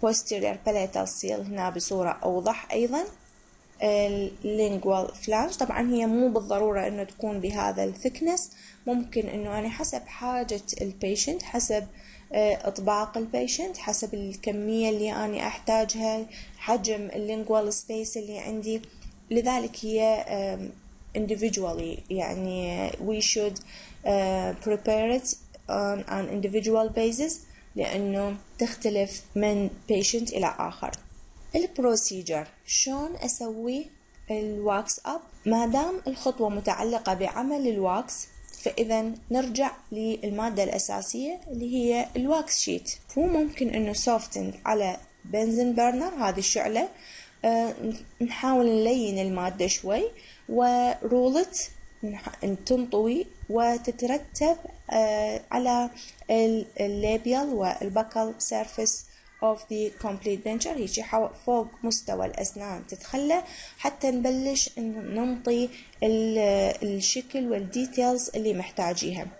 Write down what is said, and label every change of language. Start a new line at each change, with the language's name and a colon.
English: posterior palatal seal
Arabic: هنا بصورة أوضح أيضا.
English: lingual flange
Arabic: طبعا هي مو بالضرورة إنه تكون بهذا الثيكنس، ممكن إنه أنا حسب حاجة ال patient، حسب إطباق ال patient، حسب الكمية اللي أنا أحتاجها، حجم lingual space اللي عندي. لذلك هي
English: individually يعني we should prepare it on an individual basis
Arabic: لأنه تختلف من
English: patient
Arabic: إلى آخر. البروسيجر شون أسوي الواكس أب؟ ما دام الخطوة متعلقة بعمل الواكس، فإذا نرجع للمادة الأساسية اللي هي الواكس شيت. هو ممكن أنه سوفتن على بنزين برنر هذه الشعلة، نحاول نلين المادة شوي ورولت تنطوي وتترتب على الليبيال والبكال سيرفيس اوف ذا كومبليت دنتشر، هيجي فوق مستوى الاسنان تتخلى حتى نبلش ننطي الشكل والديتيلز اللي محتاجيها.